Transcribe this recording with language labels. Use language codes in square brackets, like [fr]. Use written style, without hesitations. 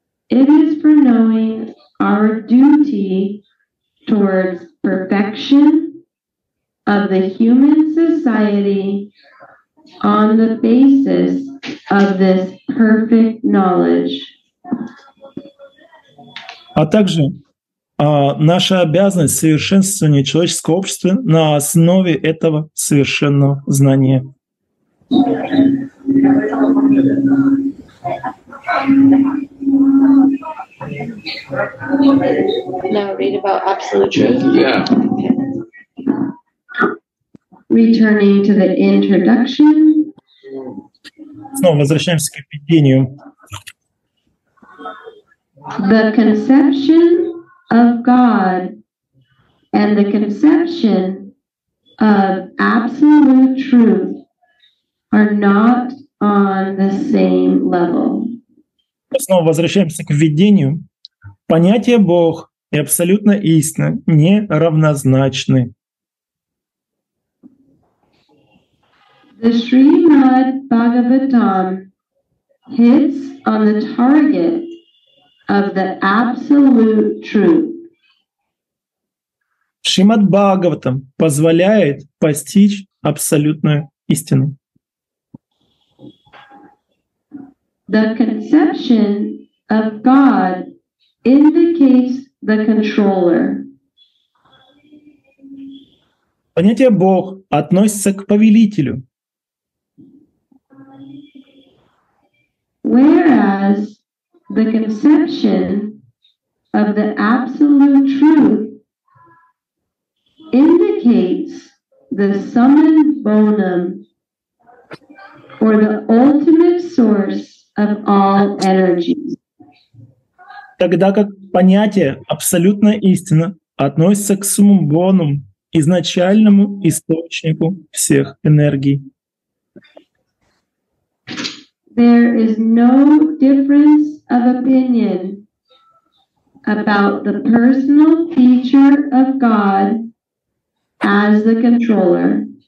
[en] It is for knowing our duty towards perfection of the human society on the basis of this perfect knowledge. [ru] А также Наша обязанность — совершенствование человеческого общества на основе этого совершенного знания. [en] Now read about absolute truth. Yeah. Returning to the introduction. [ru] Снова возвращаемся к введению. [en] The conception of God and the conception of absolute truth are not on the same level. [ru] Снова возвращаемся к введению. Понятие «Бог» и «Абсолютная истина» не равнозначны. [en] The Srimad Bhagavatam hits on the target of the absolute truth. [ru] Шримад Бхагаватам позволяет постичь абсолютную истину. [en] The conception of God indicates the controller. [ru] Понятие «Бог» относится к повелителю. [en] Whereas the conception of the absolute truth indicates the summum bonum, or the ultimate source of all energy. [ru] Тогда как понятие «абсолютная истина» относится к summum bonum, изначальному источнику всех энергий. [en] There is no difference of opinion about the personal feature of God as the controller.